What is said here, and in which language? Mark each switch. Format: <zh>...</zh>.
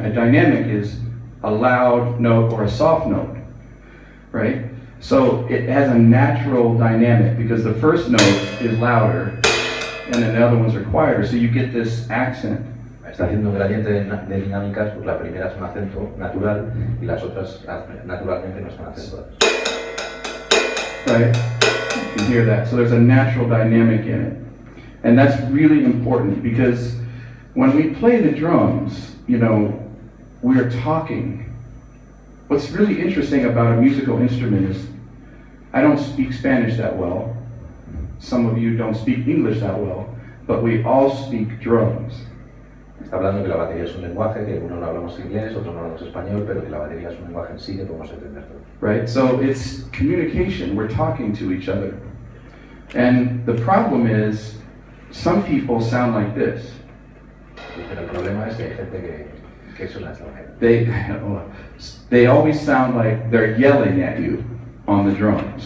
<en>A dynamic is a loud note or a soft note, right? So it has a natural dynamic because the first note is louder and then the other ones are quieter, so you get this accent.</en> <es>Está haciendo un gradiente de dinámicas, pues la primera es un acento natural y las otras naturalmente no están acentuadas.</es> <en>Right? You can hear that. So there's a natural dynamic in it. And that's really important because when we play the drums, you know, we're talking. What's really interesting about a musical instrument is I don't speak Spanish that well. Some of you don't speak English that well, but we all speak drums.</en> <es>Está hablando que la batería es un lenguaje, que uno no hablamos inglés, otro no hablamos español, pero que la batería es un lenguaje en sí que podemos entender todo.</es> <en>Right, so it's communication, we're talking to each other. And the problem is, some people sound like this.</en> <es>Pero el problema es que hay gente que suena así.</es> <en>They always sound like they're yelling at you on the drums.</en>